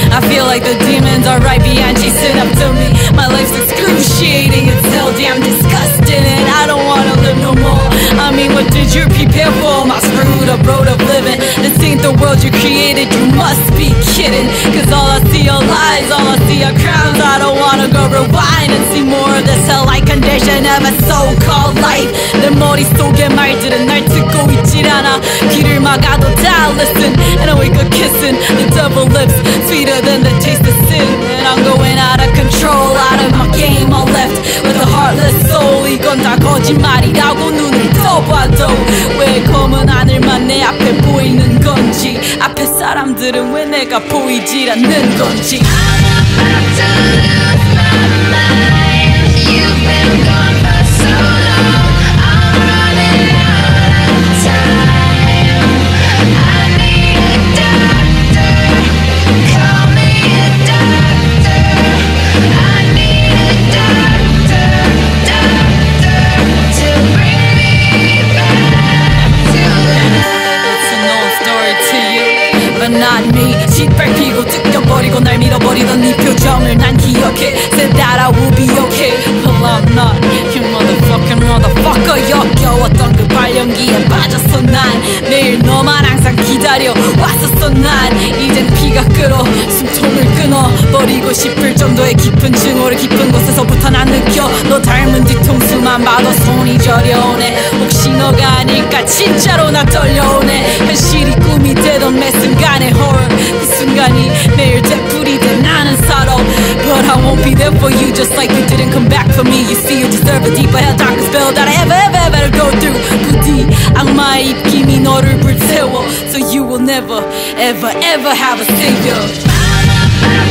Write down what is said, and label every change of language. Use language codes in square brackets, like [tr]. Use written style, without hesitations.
[en] I feel like the demons are right behind you, sit up to me. My life's excruciating, it's so damn disgusting, and I don't wanna live no more. I mean, what did you prepare for? My screwed up road of living. This ain't the world you created, you must be kidding. Cause all I see are lies, all I see are crowns. I don't wanna go rewind and see more of this hell-like condition of a so-called life. [ko] 내 머릿속에 말들은 날 듣고 있질 않아. 귀를 막아도 다 listen. [en] And I wake up kissing the devil lips, sweeter than the taste of sin. And I'm going out of control, out of my game. I'm left with a heartless soul. [ko] 이건 다 거짓말이라고 눈을 떠봐도 왜 검은 하늘만 내 앞에 보이는 건지, 앞에 사람들은 왜 내가 보이질 않는 건지. [en] I'm about to lose my mind. You've been gone for so long. I'm running out of time. I need a doctor. Call me a doctor. I need a doctor, doctor, to bring me back to life. It's an old story to you, but not me. [ko] 짓밟히고 뜯겨버리고 날 밀어버리던 네 표정을 난 기억해. [en] Said that I will be okay. Well I'm not, you motherfucking motherfucker. [ko] 역겨웠던 그 발연기에 빠졌어 난. 매일 너만 항상 기다려 왔었어 난. 이젠 피가 끓어 숨통을 끊어버리고 싶을 정도의 깊은 증오를 깊은 곳에서부터 난 느껴. 너 닮은 뒤통수만 봐도 손이 저려오네. 혹시 너가 아닐까 진짜로 나 떨려오네. 현실이 꿈이 되던 매 순간의 horror. 그 순간이 매일 되풀이돼 나는 살아. [en] But I won't be there for you just like you didn't come back for me. You see you deserve a deeper hell darker spell that I ever ever ever go through. [ko] 부디 악마의 입김이 너를 불태워. [en] So you will never ever ever have a savior.